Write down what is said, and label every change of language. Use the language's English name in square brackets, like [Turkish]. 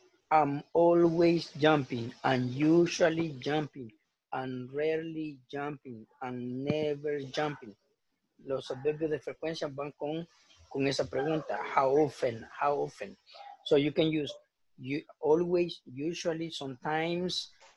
[English] I'm always jumping, unusually jumping, and rarely jumping, and never jumping. [Spanish] Los adverbios de frecuencia van con esa pregunta. [English] How often? So you can use you always, usually, sometimes,